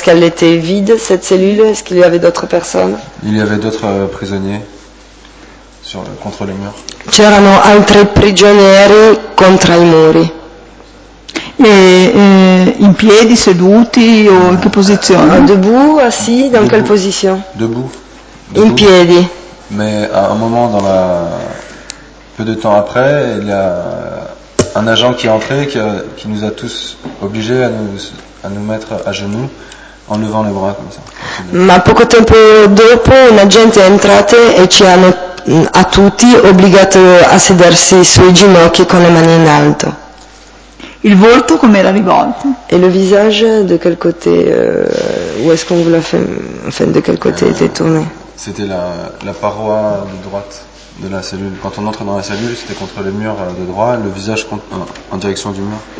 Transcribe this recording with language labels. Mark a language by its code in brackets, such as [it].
[fr] Est-ce qu'elle était vide, cette cellule? Est-ce qu'il y avait d'autres personnes? Il y avait d'autres prisonniers contre les murs. [it] C'erano altri prigionieri contro i muri. E in piedi, seduti o in che posizione? [fr] Debout, assis, dans quelle position? Debout. [it] In piedi. [fr] Mais à un moment, peu de temps après, il y a un agent qui est entré qui nous a tous obligés à nous mettre à genoux en levant les bras comme ça. [it] Ma poco tempo dopo un agente è entrato e ci hanno a tutti obbligato a sedersi sui ginocchi con le mani in alto. Il volto com'era rivolto? [fr] E le visage de quel côté où est-ce qu'on vous l'a fait, enfin de quel côté était tourné? C'était la paroi de droite de la cellule. Quand on entre dans la cellule, c'était contre le mur de droit, le visage contre, en direction du mur.